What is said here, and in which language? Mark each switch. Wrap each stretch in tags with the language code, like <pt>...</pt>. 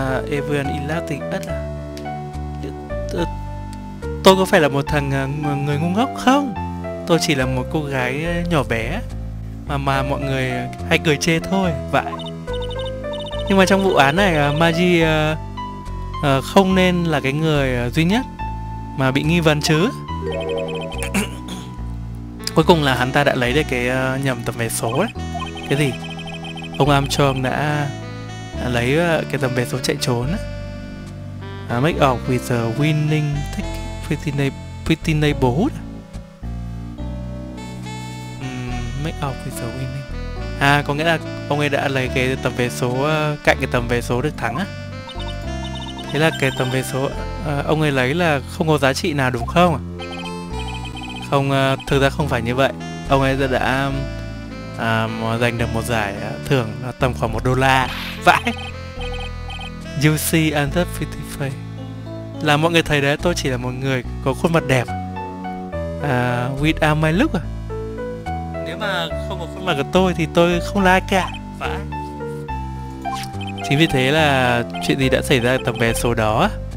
<en>Everyone is laughing at us.</en> <vi>Tôi có phải là một thằng người ngu ngốc không? Tôi chỉ là một cô gái nhỏ bé mà mọi người hay cười chê thôi vậy. Nhưng mà trong vụ án này Magi không nên là cái người duy nhất mà bị nghi vấn chứ. Cuối cùng là hắn ta đã lấy được cái nhầm tầm vé số đấy. Cái gì? Ông Armstrong đã lấy cái tầm vé số chạy trốn.</vi> <en>Make off with the winning ticket. Pretty neighborhood. Make off with the winning.</en> <vi>Có nghĩa là ông ấy đã lấy cái tầm vé số cạnh cái tầm vé số được thắng á. Thế là cái tầm vé số ông ấy lấy là không có giá trị nào đúng không? Không, thực ra không phải như vậy. Ông ấy đã giành được một giải thưởng tầm khoảng $1. Vãi.</vi> <en>You see, I'm just pretty face.</en> <vi>Là mọi người thấy đấy, tôi chỉ là một người có khuôn mặt đẹp.</vi> <en>With all my look.</en> <vi>Nếu mà không có khuôn mặt của tôi thì tôi không là ai cả. Vãi. Chính vì thế là chuyện gì đã xảy ra tầm vé số đó.</vi>